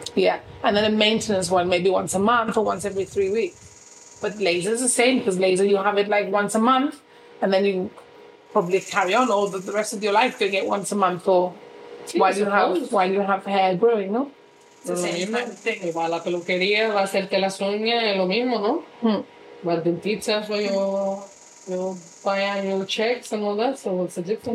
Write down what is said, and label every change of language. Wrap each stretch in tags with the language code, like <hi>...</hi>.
<en>Yeah. And then a maintenance one, maybe once a month or once every 3 weeks. But laser is the same, because laser, you have it like once a month, and then you probably carry on all the rest of your life doing it once a month or while you have hair growing, no? It's the same thing.</en> <es>Igual la peluquería, va a hacerte las uñas, lo mismo, no? Hmm.</es> <en>Well, dentista, so you'll buy annual checks and all that, so what's the difference?</en>